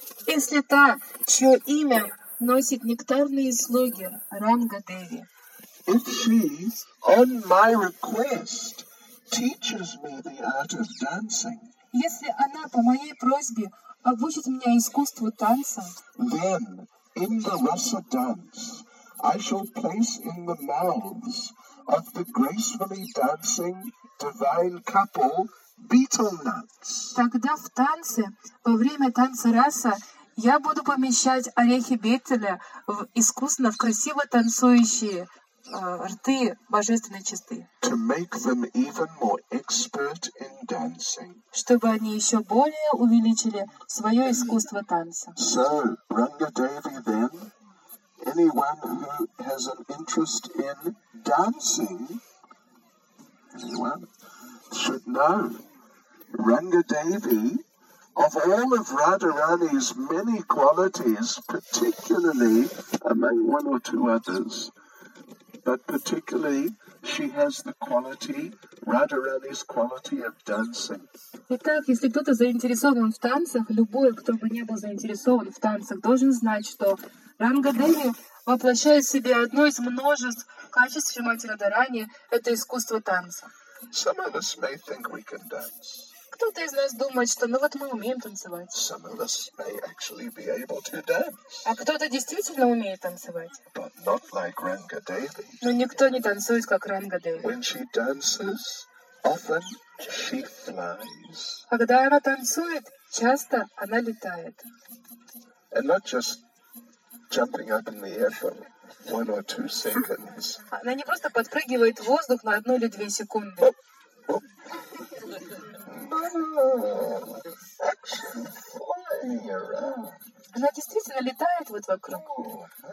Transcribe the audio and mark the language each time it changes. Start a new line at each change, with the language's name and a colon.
Russian: если та, чье имя носит нектарные слоги Ранга Деви,
English: if she, on my request, teaches me the art of dancing,
Russian: если она по моей просьбе обучит меня искусству танца,
English: then in the rasa dance I shall place in the mouths of the gracefully dancing divine couple betel nuts.
Russian: Тогда в танце, во время танца раса, я буду помещать орехи бетеля в искусно, в красиво танцующие рты божественной чистоты.
English: To make them even more expert in dancing.
Russian: Чтобы они еще более увеличили свое искусство танца.
English: So, Ranga Devi then, anyone who has an interest in dancing, anyone, should know Ranga Devi, of all of Radharani's many qualities, particularly among one or two others, but particularly she has the quality, Radharani's quality of dancing.
Russian: Итак, если кто-то заинтересован в танцах, любой, кто бы не был заинтересован в танцах, должен знать, что Ранга Деви воплощает в себе одно из множеств качеств Шримати Радхарани – это искусство танца.
English: Some of us may think we can dance.
Russian: Кто-то из нас думает, что ну вот мы умеем танцевать.
English: Some of us may actually be able to dance.
Russian: А кто-то действительно умеет танцевать.
English: But not like Ranga Devi.
Russian: Но никто не танцует, как Ранга Деви.
English: When she dances, often she flies.
Russian: Когда она танцует, часто она летает.
English: And not just jumping up in the air for one or two seconds.
Russian: Она не просто подпрыгивает в воздух на одну или две секунды. Она действительно летает вот вокруг.